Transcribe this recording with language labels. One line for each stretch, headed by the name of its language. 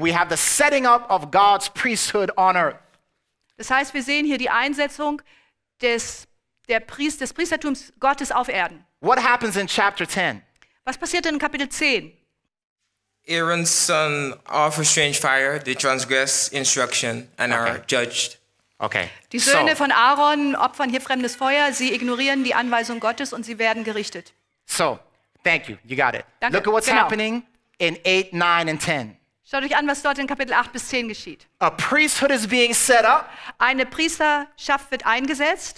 English: We have the setting up of God's priesthood on earth.
German: Das heißt, wir sehen hier die Einsetzung des des Priestertums Gottes auf Erden.
English: What happens in chapter 10?
German: Was passiert in Kapitel 10?
English: Aaron's son offers strange fire, they transgress instruction and okay. are judged. Okay.
German: Die Söhne von Aaron opfern hier fremdes Feuer, sie ignorieren die Anweisung Gottes und sie werden gerichtet.
English: So, thank you, you got it.
German: Danke.
English: Look at what's
German: genau.
English: happening in 8, 9 and 10.
German: Schaut euch an, was dort in Kapitel 8 bis 10 geschieht.
English: A priesthood is being set up.
German: Eine Priesterschaft wird eingesetzt.